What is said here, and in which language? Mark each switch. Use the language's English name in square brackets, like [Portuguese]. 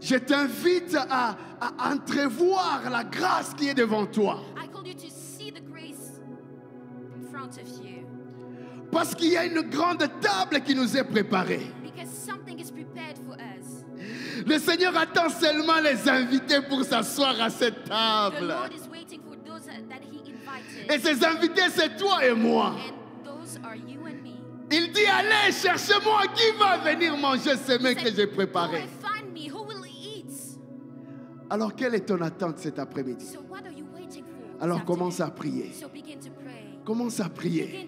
[French] Je t'invite à entrevoir la grâce qui est devant toi. [English] I call you to see the grace in front of you. [French] Parce qu'il y a une grande table qui nous est préparée. [English] Because something is prepared for us. [French] Le Seigneur attend seulement les invités pour s'asseoir à cette table. [English] The Lord is waiting for those that he invited. [French] Et ces invités, c'est toi et moi. [English] And those are you and me. [French] Il dit, allez, cherchez-moi, qui va venir manger ce mets que j'ai préparé? [English] Find me. Who will eat? [French] Alors, quelle est ton attente cet après-midi? [English] So what are you waiting for? [French] Alors, commence à prier. [English] So begin to pray. [French] Commence à prier.